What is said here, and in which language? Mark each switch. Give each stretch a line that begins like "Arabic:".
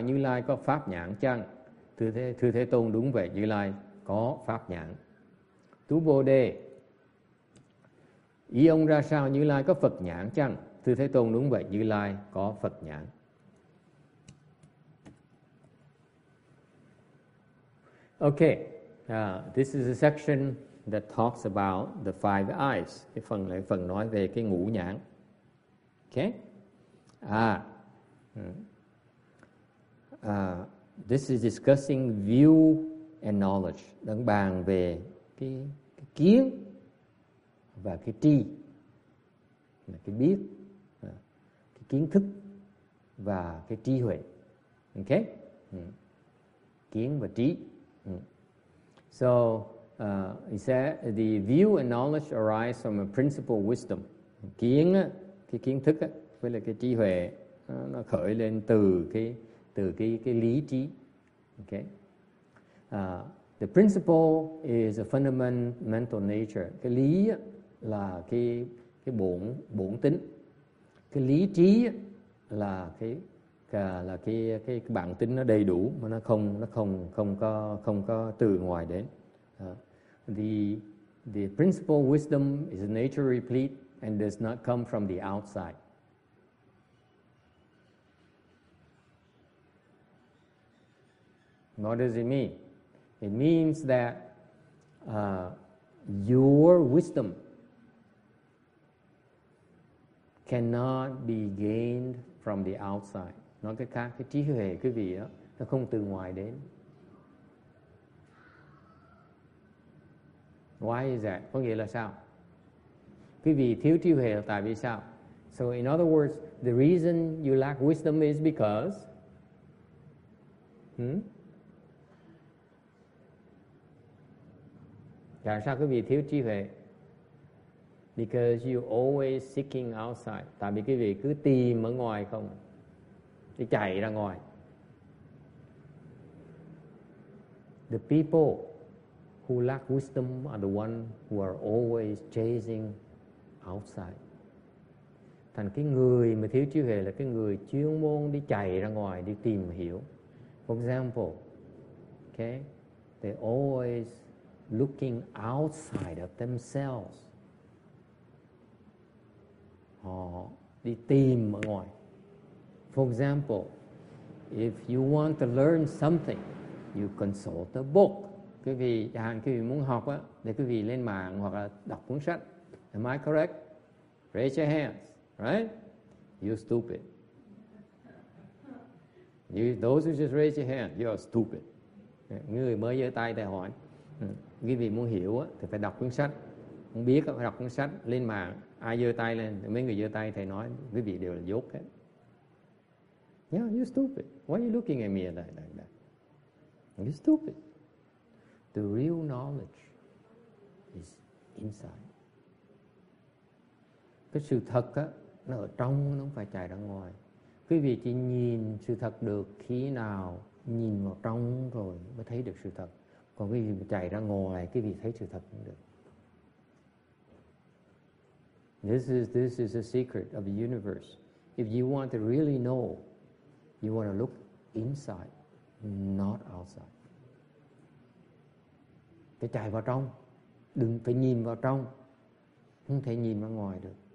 Vietnamese: Như Lai có pháp nhãn chăng? Thưa Thế Tôn, đúng vậy, Như Lai có pháp nhãn. Tu Bồ Đề ý ông ra sao? Như Lai có Phật nhãn chăng? Thưa Thế Tôn, đúng vậy, Như Lai có Phật nhãn.
English: Okay, this is a section that talks about the five eyes.
Vietnamese: Cái phần này phần nói về cái ngũ nhãn. Okay?
English: This is discussing view and knowledge.
Vietnamese: Đang bàn về cái kiến và cái tri. Là cái biết, cái kiến thức và cái trí huệ. Okay? Kiến và trí.
English: So, he said, the view and knowledge arise from a principle wisdom.
Vietnamese: Kiến, cái kiến thức, với là cái trí huệ, nó khởi lên từ cái lý trí.
English: Okay. The principle is a fundamental nature.
Vietnamese: Cái lý là cái bổn tính. Cái lý trí là cái bản tính nó đầy đủ mà nó không có từ ngoài đến.
English: The principle wisdom is nature replete and does not come from the outside. What does it mean? It means that your wisdom cannot be gained from the outside.
Vietnamese: Nói cái khác, cái trí huệ quý vị đó, nó không từ ngoài đến.
English: Why is that?
Vietnamese: Có nghĩa là sao? Quý vị thiếu trí huệ là tại vì sao?
English: So in other words, the reason you lack wisdom is because...
Vietnamese: Tại sao quý vị thiếu trí huệ?
English: Because you always seeking outside.
Vietnamese: Tại vì quý vị cứ tìm ở ngoài không? Đi chạy ra ngoài.
English: The people who lack wisdom are the ones who are always chasing outside.
Vietnamese: Thành cái người mà thiếu trí huệ là cái người chuyên môn đi chạy ra ngoài, đi tìm hiểu.
English: For example, okay, they're always looking outside of themselves.
Vietnamese: Họ đi tìm ở ngoài.
English: For example, if you want to learn something, you consult a book.
Vietnamese: Quý vị, chẳng hạn quý vị muốn học á, để quý vị lên mạng hoặc là đọc cuốn sách.
English: Am I correct? Raise your hands, right? You're stupid. You, those who just raise your hand, you're stupid.
Vietnamese: Người mới giơ tay để hỏi. Quý vị muốn hiểu á, thì phải đọc cuốn sách. Không biết á, phải đọc cuốn sách, lên mạng. Ai giơ tay lên, mấy người giơ tay, thầy nói, quý vị đều là dốt hết.
English: Yeah, you're stupid. Why are you looking at me like that? You're stupid. The real knowledge is inside.
Vietnamese: Cái sự thật á, nó ở trong, nó không phải chạy ra ngoài. Quý vị chỉ nhìn sự thật được khi nào nhìn vào trong rồi mới thấy được sự thật. Còn quý vị chạy ra ngoài, quý vị thấy sự thật cũng được.
English: This is a secret of the universe. If you want to really know, you want to look inside, not outside.
Vietnamese: Phải chạy vào trong, đừng phải nhìn vào trong, không thể nhìn ra ngoài được.